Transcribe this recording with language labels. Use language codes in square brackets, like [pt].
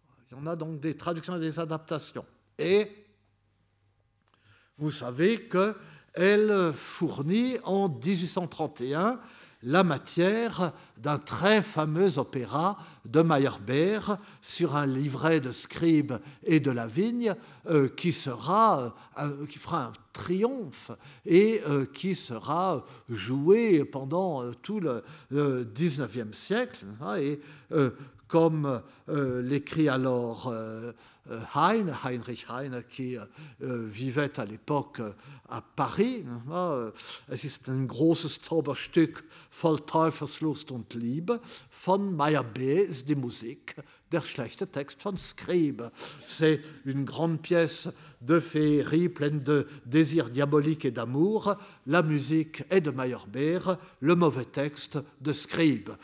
[fr] Il y en a donc des traductions et des adaptations. Et vous savez qu'elle fournit en 1831 la matière d'un très fameux opéra de Meyerbeer sur un livret de Scribe et de Lavigne qui fera un triomphe et qui sera joué pendant tout le XIXe siècle. Et comme l'écrit alors Heinrich Heine, qui vivait à l'époque à Paris. [de] Es ist ein großes Zauberstück voll Teufelslust und Liebe von Meyerbeer ist die Musik, der schlechte Text von Scribe. [fr] C'est une grande pièce de féerie pleine de désirs diaboliques et d'amour. La musique est de Meyerbeer, le mauvais texte de Scribe.